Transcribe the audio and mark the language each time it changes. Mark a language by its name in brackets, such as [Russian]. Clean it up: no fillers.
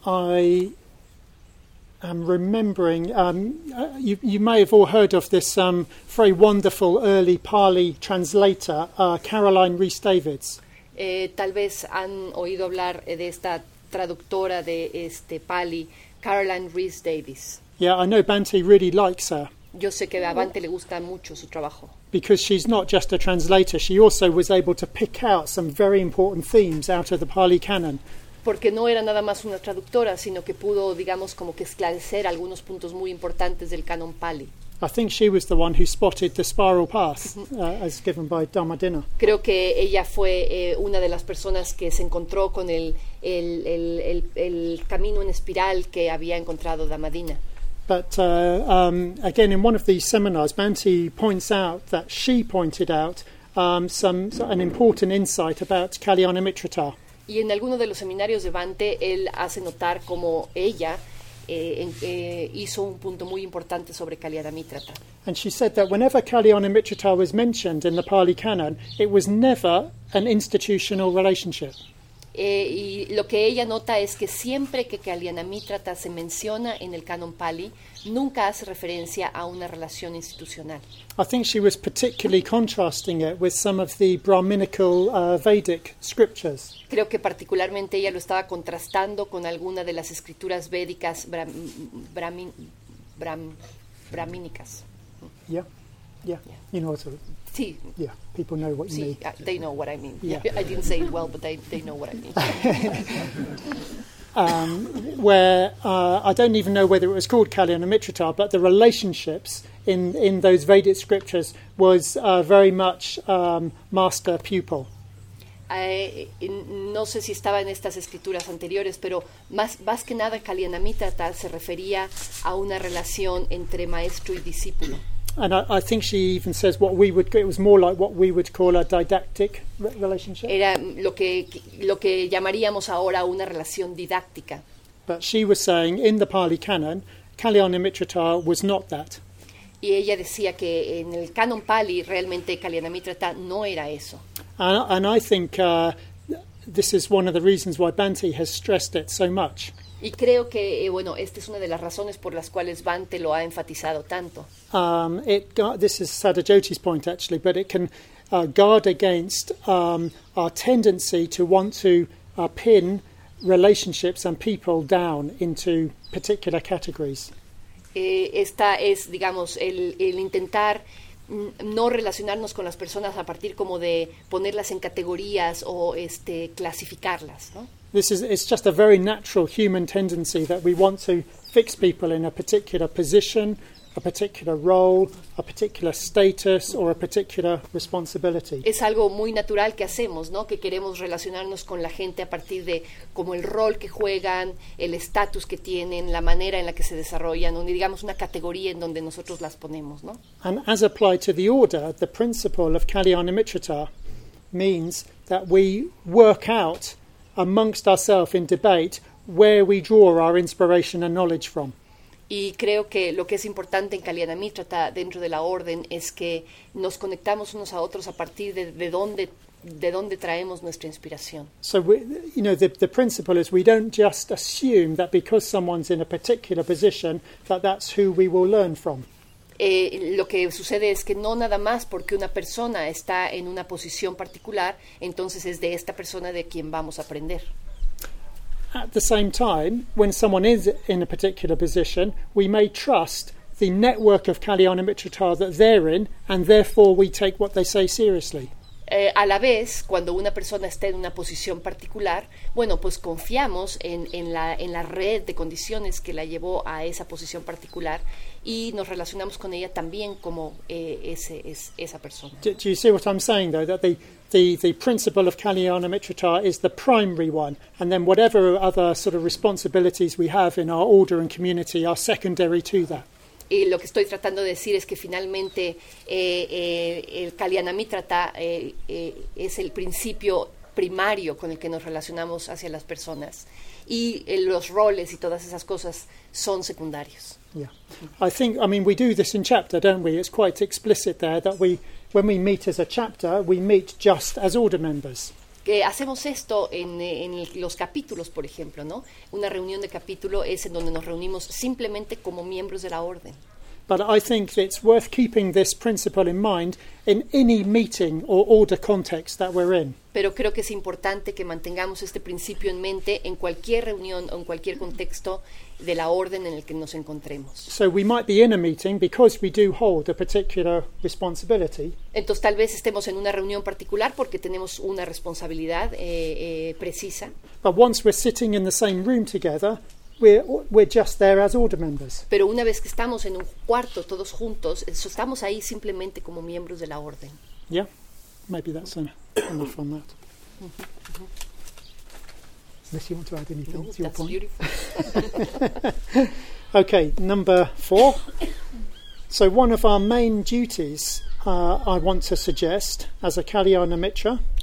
[English] I'm remembering, you may have all heard of this very wonderful early Pali translator, Caroline Rhys-Davids. [Spanish] Tal vez han oído hablar de esta traductora de este Pali, Caroline Rhys-Davids. [English] Yeah, I know Bhante really likes her. [Spanish] Yo sé que a Bhante le gusta mucho su trabajo. [English] Because she's not just a translator, she also was able to pick out some very important themes out of the Pali canon. [Spanish] Porque no era nada más una traductora, sino que pudo, digamos, como que esclarecer algunos puntos muy importantes del canon Pali. [English] I think she was the one who spotted the spiral path, as given by Dhammadina. [Spanish] Creo que ella fue una de las personas que se encontró con el camino en espiral que había encontrado Dhammadina. [English] But again, in one of these seminars, Bhante points out that she pointed out an important insight about Kalyanamitra. [Spanish] Y en alguno de los seminarios de Bhante, él hace notar cómo ella hizo un punto muy importante sobre Kalyanamitra. [English] And she said that whenever Kalyanamitra was mentioned in the Pali canon, it was never an institutional relationship. [Spanish] Y lo que ella nota es que siempre que Kalyanamitra se menciona en el canon Pali, nunca hace referencia a una relación institucional. [English] I think she was particularly contrasting it with some of the Brahminical Vedic scriptures. [Spanish] Creo que particularmente ella lo estaba contrastando con alguna de las escrituras védicas brahmínicas. [English] Yeah. You know what I mean. [Spanish] Sí. [English] Yeah, people know what you mean. They know what I mean. Yeah. I didn't say it well, but they know what I mean. I don't even know whether it was called Kalyanamitra, but the relationships in those Vedic scriptures was very much master-pupil. [Spanish] no sé si estaba en estas escrituras anteriores, pero más que nada Kalyanamitra tal se refería a una relación entre maestro y discípulo. [English] And I think she even says what we would, it was more like what we would call a didactic relationship. [Spanish] Era lo que llamaríamos ahora una relación didáctica. [English] But she was saying in the Pali Canon, Kalyanamitra was not that. [Spanish] Y ella decía que en el canon Pali realmente Kalyanamitra no era eso. [English] And I think this is one of the reasons why Bhante has stressed it so much. [Spanish] Y creo que bueno, esta es una de las razones por las cuales Bhante lo ha enfatizado tanto. [English] This is Sadajoti's point actually, but it can guard against our tendency to want to pin relationships and people down into particular categories. [Spanish] Esta es, digamos, el intentar no relacionarnos con las personas a partir como de ponerlas en categorías o clasificarlas, ¿no? [English] This is, it's just a very natural human tendency that we want to fix people in a particular position, a particular role, a particular status, or a particular responsibility. [Spanish] Es algo muy natural que hacemos, ¿no? Que queremos relacionarnos con la gente a partir de como el rol que juegan, el estatus que tienen, la manera en la que se desarrollan, digamos una categoría en donde nosotros las ponemos, ¿no? [English] And as applied to the order, the principle of Kalyanamitra means that we work out amongst ourselves in debate where we draw our inspiration and knowledge from. [Spanish] Y creo que lo que es importante en Kalyanamitra dentro de la orden es que nos conectamos unos a otros a partir de dónde traemos nuestra inspiración. [English] So we, you know, the principle is we don't just assume that because someone's in a particular position that that's who we will learn from. [Spanish] Lo que sucede es que no nada más porque una persona está en una posición particular, entonces es de esta persona de quien vamos a aprender. [English] At the same time, when someone is in a particular position, we may trust the network of Kalyanamitra that they're in, and therefore we take what they say seriously. [Spanish] A la vez, cuando una persona está en una posición particular, bueno, pues confiamos en la red de condiciones que la llevó a esa posición particular y nos relacionamos con ella también como esa persona. [English] Do you see what I'm saying, though? That the principle of Kalyanamitra is the primary one, and then whatever other sort of responsibilities we have in our order and community are secondary to that. [Spanish] Y lo que estoy tratando de decir es que finalmente el Kalyanamitra es el principio primario con el que nos relacionamos hacia las personas. Y los roles y todas esas cosas son secundarios. [English] Yeah. I think, I mean, we do this in chapter, don't we? It's quite explicit there that we, when we meet as a chapter, we meet just as order members. [Spanish] Que hacemos esto en los capítulos, por ejemplo, ¿no? Una reunión de capítulo es en donde nos reunimos simplemente como miembros de la orden. [English] But I think it's worth keeping this principle in mind in any meeting or order context that we're in. [Spanish] Pero creo que es importante que mantengamos este principio en mente en cualquier reunión o en cualquier contexto de la orden en el que nos encontremos. [English] So we might be in a meeting because we do hold a particular responsibility. [Spanish] Entonces tal vez estemos en una reunión particular porque tenemos una responsabilidad precisa. [English] But once we're sitting in the same room together, we're just there as order members. [Spanish] Pero una vez que estamos en un cuarto todos juntos, estamos ahí simplemente como miembros de la orden. [English] Yeah, maybe that's enough on that. Unless you want to add any thoughts, that's your point. That's beautiful. Okay, number four. So one of our main duties, I want to suggest, as a Kalyanamitra.